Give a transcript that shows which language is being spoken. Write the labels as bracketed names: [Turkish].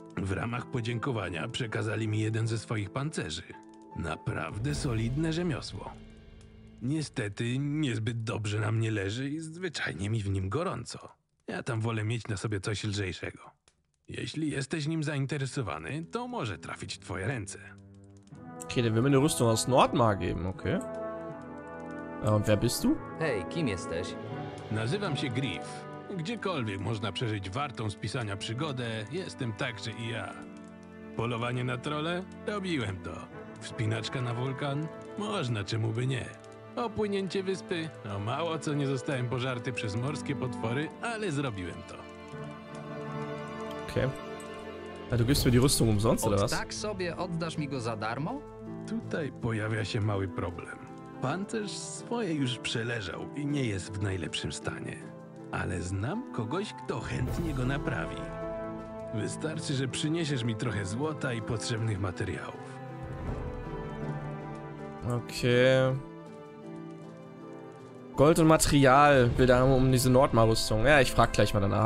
[Polish] W ramach podziękowania przekazali mi jeden ze swoich pancerzy. Naprawdę solidne rzemiosło. Niestety, niezbyt dobrze na mnie leży i zwyczajnie mi w nim gorąco. Ja tam wolę mieć na sobie coś lżejszego. Jeśli jesteś nim zainteresowany, to może trafić w twoje ręce. [German] Okay, dann will mir eine Rüstung aus Nordmar geben, okay. Und wer bist du? [Polish] Hej, kim jesteś? Nazywam się Griff. Gdziekolwiek można przeżyć wartą spisania przygodę, jestem także i ja. Polowanie na trolle? Robiłem to. Wspinaczka na wulkan? Można, czemu by nie. Opłynięcie wyspy? No mało co nie zostałem pożarty przez morskie potwory, ale zrobiłem to. Okej. [German] A du gibst mir die Rüstung umsonst, oder was? [Polish] Tak sobie oddasz mi go za darmo? Tutaj pojawia się mały problem. Pancerz swoje już przeleżał i nie jest w najlepszym stanie. Ale znam kogoś, kto chętnie go naprawi. Wystarczy, że przyniesiesz mi trochę złota i potrzebnych materiałów. Okej. [German] Gold und Material will da um diese Nordmar-Rüstung. Ja, ich frag gleich mal danach.